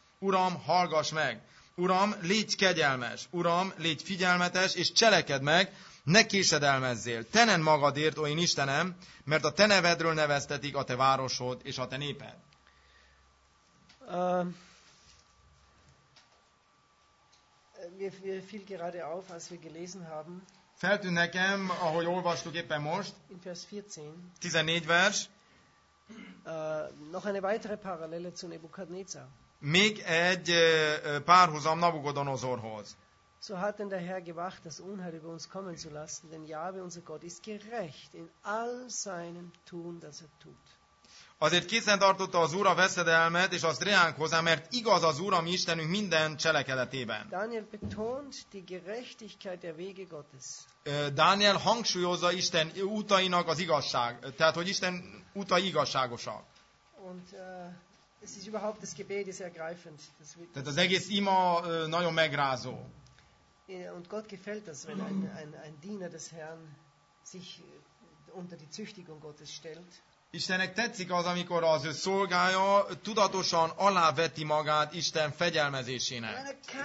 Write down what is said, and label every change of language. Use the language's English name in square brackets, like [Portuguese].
[Hungarian] Uram, hallgass meg! Uram, légy kegyelmes! Uram, légy figyelmetes, és cselekedd meg, ne késedelmezzél! Tened magadért, ó én Istenem, mert a te nevedről neveztetik a te városod és a te néped. [German] Mir fiel gerade auf, als wir gelesen haben. [Hungarian] Feltűnt nekem, ahogy olvastuk éppen most. [German] In Vers 14. [Hungarian] 14 vers. [German] Noch eine weitere Parallele zu Nebukadnezar. [Hungarian] Még egy párhuzam Nabukodonozorhoz. [German] So hat denn der Herr gewacht, das Unheil über uns kommen zu lassen, denn Jahwe, unser Gott, ist gerecht in all seinem Tun, das er tut. [Hungarian] Azért készen tartotta az Úr a veszedelmet, és azt reánk hozzá, mert igaz az Úr, a mi Istenünk minden cselekedetében. [German] Daniel betont die Gerechtigkeit der Wege Gottes. [Hungarian] Daniel hangsúlyozza Isten utainak az igazság, tehát, hogy Isten utai igazságosak. [German] Und es ist überhaupt das Gebet ist ergreifend. [Hungarian] Tehát az egész ima nagyon megrázó. [German] Und Gott gefällt das, wenn ein Diener des Herrn sich unter die Züchtigung Gottes stellt. [Hungarian] Istennek tetszik az, amikor az ő szolgája tudatosan aláveti magát Isten fegyelmezésének.